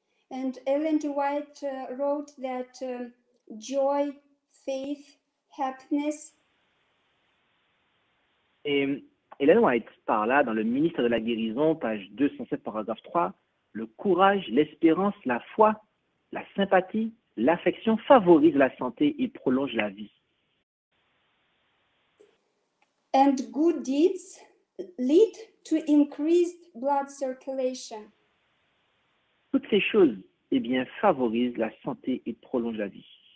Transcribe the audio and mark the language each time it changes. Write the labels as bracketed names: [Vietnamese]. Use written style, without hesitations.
[English] And Ellen G. White wrote that joy, faith, happiness. [French] Et Ellen White parla dans le ministère de la guérison, page 207, paragraphe 3, le courage, l'espérance, la foi, la sympathie, l'affection favorisent la santé et prolongent la vie. [English] And good deeds lead to increased blood circulation. [French] toutes ces choses, eh bien, favorisent la santé et prolongent la vie.